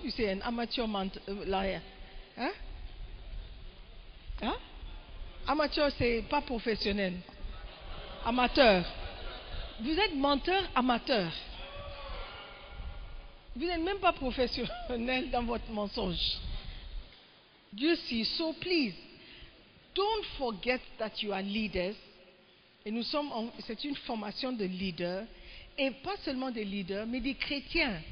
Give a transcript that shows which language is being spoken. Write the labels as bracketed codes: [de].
[en] You say, an amateur liar. [fr] Hein? Hein? Amateur, c'est pas professionnel. Amateur. Vous êtes menteur amateur. Vous n'êtes même pas professionnel dans votre mensonge. Dieu sait. [en] So please, don't forget that you are leaders. [fr] Et nous sommes, c'est une formation de leaders. Et pas seulement des leaders, mais des chrétiens.